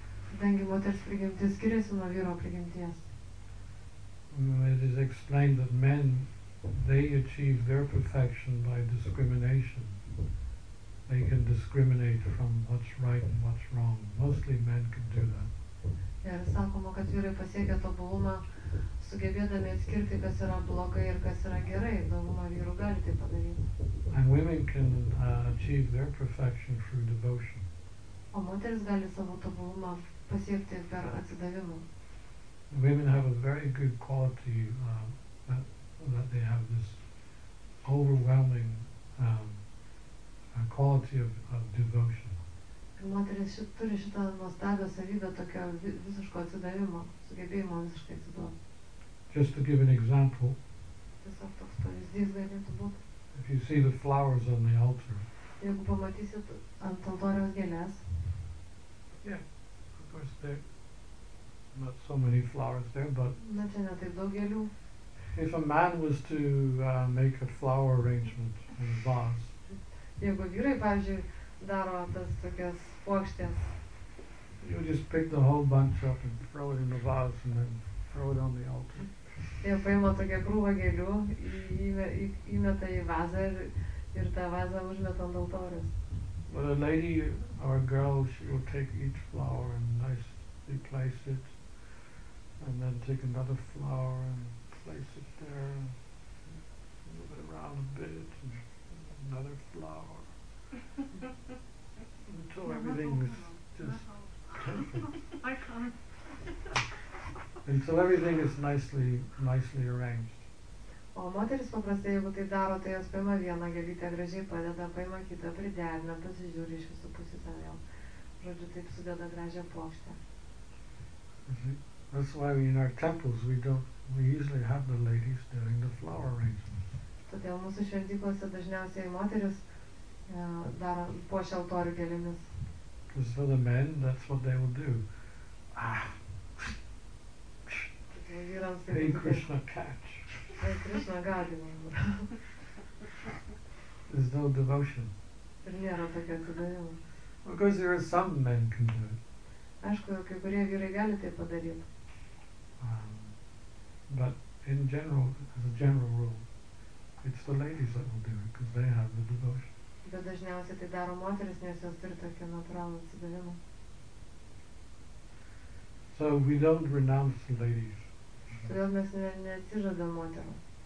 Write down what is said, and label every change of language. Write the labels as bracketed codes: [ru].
[lt] Kadangi moters prigimtis skiriasi nuo vyro prigimties. [en] It is explained that men, they achieve their perfection by discrimination. They can discriminate from what's right and what's wrong. Mostly men can do that. [lt] Ir sakoma, kad vyrai pasiekia tobulumą, sugebėdami atskirti, kas yra blogai ir kas yra gerai. Dauguma vyrų gali tai padaryti. [en] And women can achieve their perfection through devotion. [lt] O moteris gali savo tobulumą pasiekti per atsidavimą. [en] Women have a very good quality that they have this overwhelming a quality of devotion. [lt] Moteris turi šitą nuostabią savybę tokio visiško atsidavimo, sugebėjimo visiškai atsiduoti. [en] Just to give an example. [lt] Tiesiog toks pavyzdys galėtų būti. [en] If you see the flowers on the altar. [lt] Jeigu pamatysit ant altoriaus gėlės. [en] Yeah, of course there are not so many flowers there, but... [lt] Na, čia ne taip daug gėlių. [en] If a man was to make a flower arrangement in a vase. [lt] Jeigu vyrai, pavyzdžiui, daro tas tokias puokštės. [en] You just pick the whole bunch up and throw it in the vase and then throw it on the altar. [lt] Jie paima tokią krūvą gėlių, įmeta į vazą ir tą vazą užmeta ant altoriaus. [en] But a lady or a girl, she will take each flower and nicely place it, and then take another flower and place it there, and move it around a bit, and another flower, until everything's just perfect. I can't. Until everything is nicely arranged. [lt] O moteris paprastai, jeigu tai daro, tai jos paima vieną gėlytę, gražiai padeda, paima kitą, priderina, pasižiūri iš visų pusių savo jau. Žodžiu, taip sudeda gražią plokštę. [en] That's why in our temples we usually have the ladies doing the flower arrangements. [lt] Todėl mūsų šventyklose dažniausiai moteris daro puošia altorių gėlėmis. [en] Because for the men, that's what they will do. Ah! Hey Krishna, catch! There's no devotion. Of course, there are some men can do it. [lt] Aišku, kai kurie vyrai gali tai padaryti. [en] But in general, as a general rule, it's the ladies that will do it because they have the devotion. [lt] Bet dažniausiai tai daro moteris, nes jos turi tokį natūralų atsidavimą. [en] So we don't renounce the ladies. [lt] Todėl mes neatsižadam moterų.